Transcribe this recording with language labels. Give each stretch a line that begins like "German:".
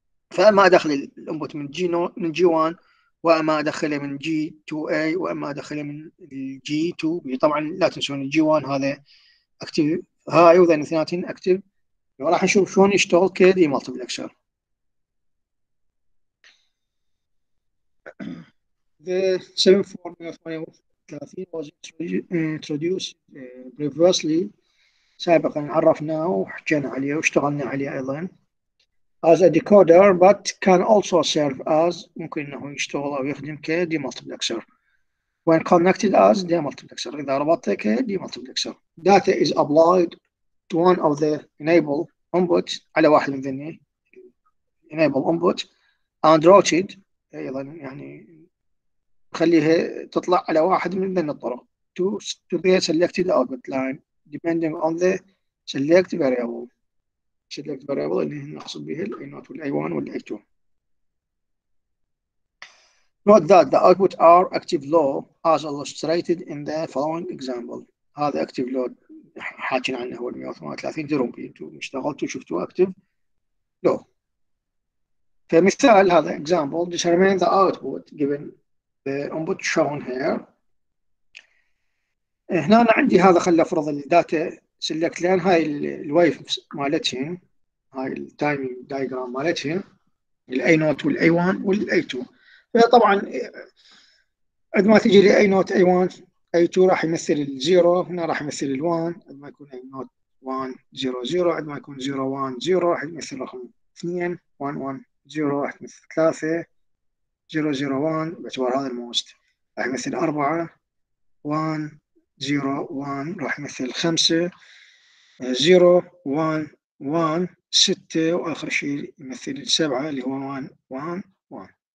Arabic: فاما ادخل الانبوت من جي نو من جي 1، واما ادخله من جي 2 اي، واما ادخله من الجي 2 طبعا لا تنسون الجي 1 هذا اكتف هاي، وذن الاثنين اكتف. وراح نشوف شلون يشتغل كدي مالتيبلكسر.
English: The 7430 was introduced previously.
Arabic: سابقا عرفناه وحكينا عليه واشتغلنا عليه ايضا.
English: As a decoder but can also serve as
Arabic: ممكن انه يشتغل او يخدم ك
English: demultiplexer. When connected as demultiplexer
Arabic: اذا ربطته ك
English: demultiplexer. Data is applied to one of the enable input
Arabic: على واحد من ذني
English: enable input and routed
Arabic: ايضا يعني خليها تطلع على واحد من بين الطرق
English: to the selected output line depending on the select variable.
Arabic: select variable اللي نقصد بها الـ A0 والـ A1 والـ A2.
English: Note that the output are active low as illustrated in the following example.
Arabic: هذا active low حاكينا عنه هو الـ 138 ديرومبي، انتم اشتغلتوا شفتوا active low. فمثال هذا
English: example determine the output given the input shown here.
Arabic: هنا أنا عندي هذا، خلي افرض الداتا سلكت لين هاي الويف مالتهم، هاي التايمينج دايجرام مالتهم الاي نوت والاي 1 والاي 2. طبعا عندما تجي لي اي نوت اي 1 اي 2 راح يمثل ال 0، هنا راح يمثل ال 1، عندما يكون اي نوت 1 0 0، عندما يكون 0 1 0 راح يمثل رقم 2، 1 1 0 راح يمثل 3، 001 باعتبار هذا الموست راح يمثل 4، 101 راح يمثل 5، 011 6، واخر شيء يمثل 7 اللي هو 111.